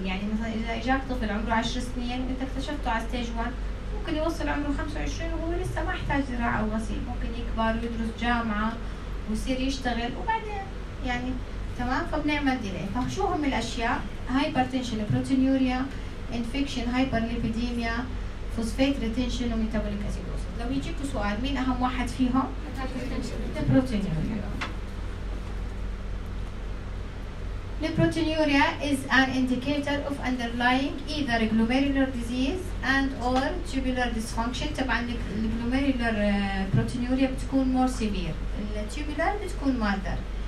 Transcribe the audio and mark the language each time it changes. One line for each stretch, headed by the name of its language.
Arabic: يعني مثلا اذا اجاك طفل عمره 10 سنين انت اكتشفته على ستيج 1 ممكن يوصل عمره 25 وهو لسه ما احتاج زراعه او غسيل، ممكن يكبر ويدرس جامعه ويصير يشتغل وبعدين يعني. تمام. فبنعمل ديلي. فشو هم الاشياء؟ هايبرتنشن بروتينوريا انفكشن هايبرليبيديميا فوسفات ريتنشن وميتابوليك اسيدوس. لو يجيكوا سؤال مين اهم واحد فيهم؟ البروتينوريا.
English: Proteinuria is an indicator of underlying either glomerular disease and or tubular dysfunction.
Arabic: طبعا الجلوميرولار بروتينوريا بتكون
English: more severe،
Arabic: التوبولار بتكون
English: milder.